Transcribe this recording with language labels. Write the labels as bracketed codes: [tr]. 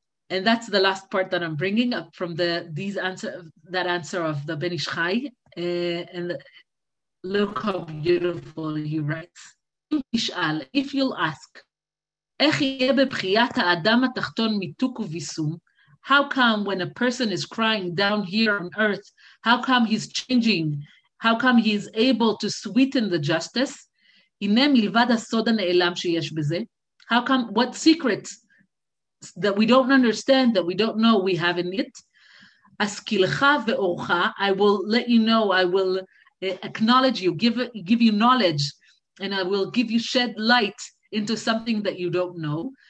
[en] And that's the last part that I'm bringing up from that answer of the Ben Ish Chai. And look how beautiful he writes. If you'll ask, [he] איך יהיה בבחיית האדם התחתון מיתוק וביסום? [en] How come when a person is crying down here on earth, how come he's changing? How come he's able to sweeten the justice? [he] הנה מלבד הסוד הנעלם שיש בזה. [en] How come, what secrets that we don't understand, that we don't know we have in it. [he] Askilcha ve'orcha, [en] I will let you know, I will acknowledge you, give you knowledge, and I will give you, shed light into something that you don't know.